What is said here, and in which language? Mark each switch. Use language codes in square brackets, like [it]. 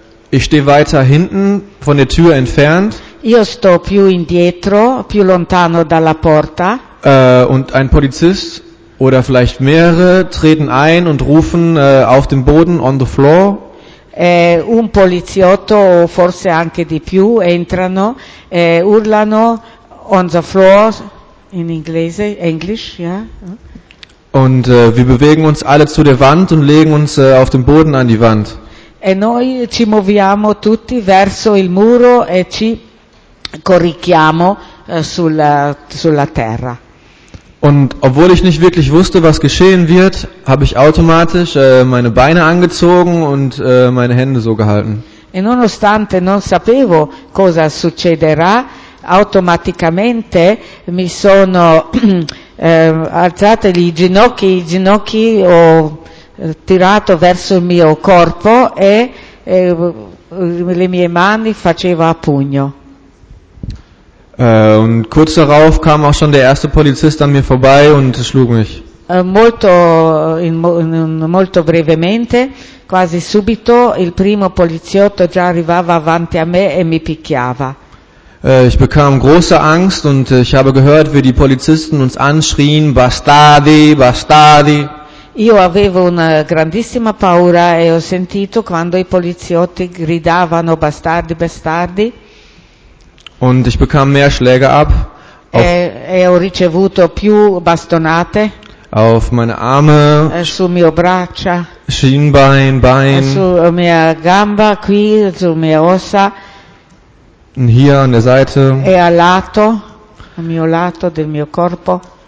[de] Ich stehe weiter hinten von der Tür entfernt. [it] Io sto più indietro, più lontano dalla porta. [de] Und ein Polizist oder vielleicht mehrere treten ein und rufen auf dem Boden, [en] on the floor. [it] Un poliziotto o forse anche di più entrano, urlano [en] on the floor [it] in inglese, English, ja? [en] Yeah? [de] Und wir bewegen uns alle zu der Wand und legen uns auf den Boden an die Wand. [it] E noi ci muoviamo tutti verso il muro e ci corichiamo sulla terra. [de] Und obwohl ich nicht wirklich wusste, was geschehen wird, habe ich automatisch meine Beine angezogen und meine Hände so gehalten. [it] E nonostante non sapevo cosa succederà, automaticamente mi sono alzate i ginocchi ho tirato verso il mio corpo e le mie mani faceva a pugno. [de] Und kurz darauf kam auch schon der erste Polizist an mir vorbei und schlug mich. [it] Molto brevemente, quasi subito, il primo poliziotto già arrivava avanti a me e mi picchiava. [de] Ich bekam große Angst und ich habe gehört, wie die Polizisten uns anschrien, [it] bastardi, bastardi. Io avevo una grandissima paura e ho sentito quando i poliziotti gridavano bastardi, bastardi. [de] Und ich bekam mehr Schläge ab. [it] E ho ricevuto più bastonate. [de] Auf meine Arme. [it] Su mio braccia. [de] Schienbein, Bein. [it] Su mia gamba, qui, su mia ossa. [de] Und hier an der Seite. [it] E al lato, al mio lato del mio corpo.